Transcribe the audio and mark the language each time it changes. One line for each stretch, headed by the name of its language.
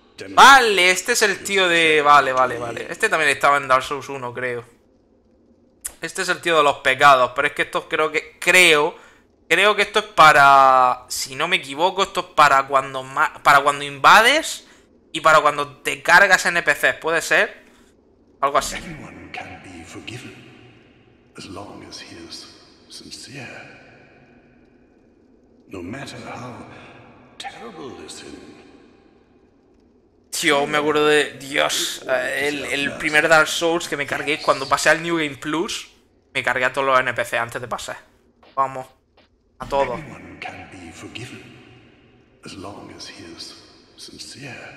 Spanish: Vale, este es el tío de... Vale, vale, vale. Este también estaba en Dark Souls 1, creo. Este es el tío de los pecados, pero es que esto creo que... Creo que esto es para... Si no me equivoco, esto es para cuando invades y para cuando te cargas NPCs, ¿puede ser? Algo así.
English: Everyone can be forgiven, as long as he is sincere. No matter how terrible the sin.
Spanish: Tío, me acuerdo de... Dios, el primer Dark Souls que me cargué cuando pasé al New Game Plus. Me cargué a todos los NPC antes de pasar. Vamos. A todos.
English: Everyone can be forgiven, as long as he is sincere.